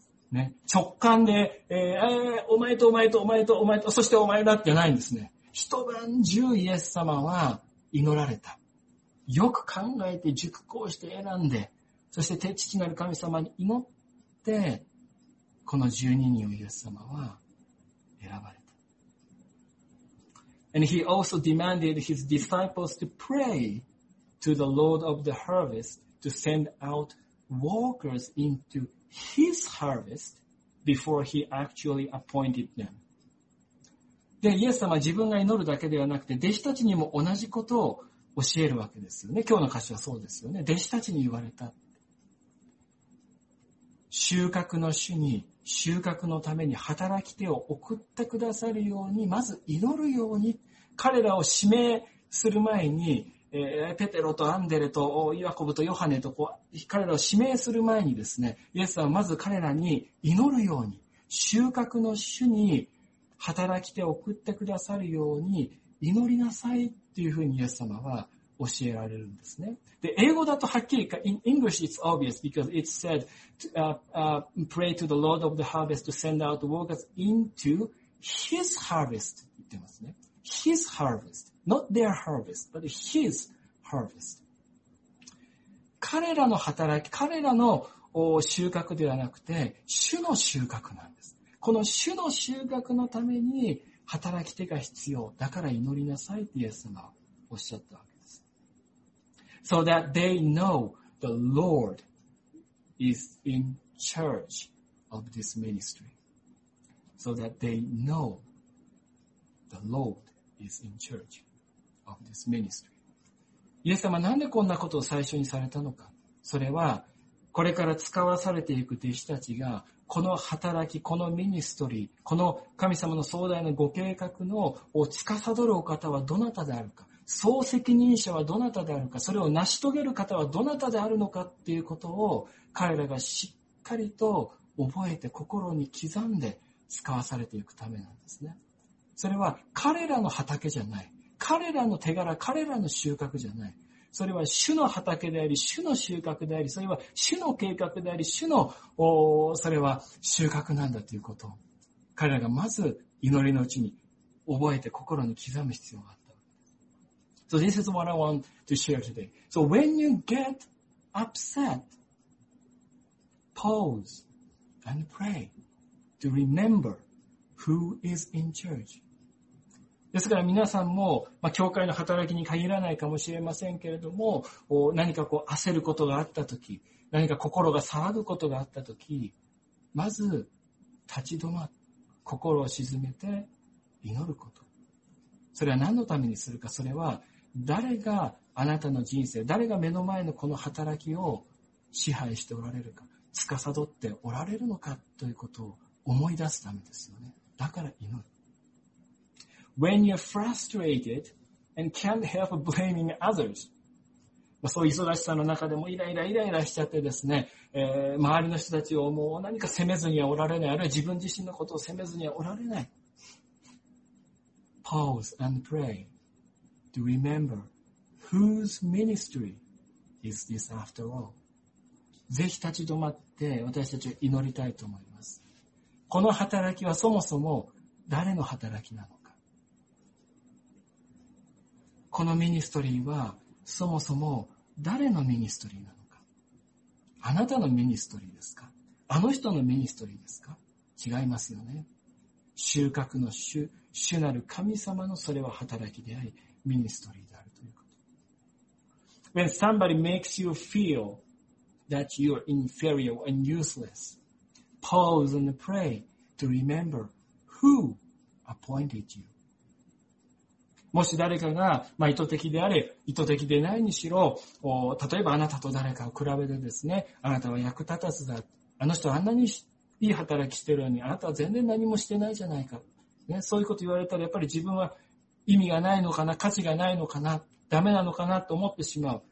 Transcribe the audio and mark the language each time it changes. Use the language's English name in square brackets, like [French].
[Japanese] ね、直感で、お前とお前とお前とお前とそしてお前だってないんですね。一晩中イエス様は祈られた。よく考えて熟考して選んで、そして父なる神様に祈って、この十二人をイエス様は選ばれた。 [English] And he also demanded his disciples to pray to the Lord of the harvest to send out workers into his harvest before he actually appointed them. [Japanese] で、イエス様は自分が祈るだけではなくて、弟子たちにも同じことを教えるわけですよね。今日の箇所はそうですよね。弟子たちに言われた。収穫の主に、収穫のために働き手を送ってくださるように、まず祈るように、彼らを指名する前に、ペテロとアンデレとイアコブとヨハネとこう彼らを指名する前にですね、イエス様はまず彼らに祈るように、収穫の主に、働き手を送ってくださるように祈りなさいっていうふうにイエス様は教えられるんですね。で、英語だとはっきりか、 [English] in English it's obvious because it's said to, pray to the Lord of the harvest to send out workers into his harvest [Japanese] って言ってますね。 [English] His harvest, not their harvest, but his harvest. [Japanese] 彼らの働き、彼らの収穫ではなくて、主の収穫なんです。この主の収穫のために働き手が必要。だから祈りなさいってイエス様はおっしゃったわけです。 [English] So that they know the Lord is in charge of this ministry. So that they know the Lord is in charge of this ministry. [Japanese] イエス様なんでこんなことを最初にされたのか。それはこれから使わされていく弟子たちがこの働き、このミニストリー、この神様の壮大なご計画のを司るお方はどなたであるか、総責任者はどなたであるか、それを成し遂げる方はどなたであるのかっていうことを彼らがしっかりと覚えて心に刻んで使わされていくためなんですね。それは彼らの畑じゃない。彼らの手柄、彼らの収穫じゃない。それは主の畑であり、主の収穫であり、それは主の計画であり、主のそれは収穫なんだということを彼らがまず祈りのうちに覚えて心に刻む必要があった。 [English] So this is what I want to share today. So when you get upset, pause and pray to remember who is in charge. [Japanese] ですから皆さんも、まあ、教会の働きに限らないかもしれませんけれども、何かこう焦ることがあったとき、何か心が騒ぐことがあったとき、まず立ち止まって、心を静めて祈ること。それは何のためにするか、それは誰があなたの人生、誰が目の前のこの働きを支配しておられるか、司っておられるのかということを思い出すためですよね。だから祈る。 [English] When you're frustrated and can't help blaming others. [Japanese] そういう忙しさの中でもイライライライラしちゃってですね、周りの人たちをもう何か責めずにはおられない、あるいは自分自身のことを責めずにはおられない。 [English] Pause and pray to remember whose ministry is this after all. [Japanese] ぜひ立ち止まって私たちを祈りたいと思います。この働きはそもそも誰の働きなの？このミニストリーはそもそも誰のミニストリーなのか。あなたのミニストリーですか。あの人のミニストリーですか。違いますよね。収穫の主、主なる神様のそれは働きであり、ミニストリーであるということ。 [English] When somebody makes you feel that you're inferior and useless, pause and pray to remember who appointed you. [Japanese] もし誰かが、まあ、意図的であれ、意図的でないにしろ、例えばあなたと誰かを比べてですね、あなたは役立たずだ。あの人はあんなにいい働きしてるのに、あなたは全然何もしてないじゃないか、ね。そういうこと言われたら、やっぱり自分は意味がないのかな、価値がないのかな、ダメなのかなと思ってしまう。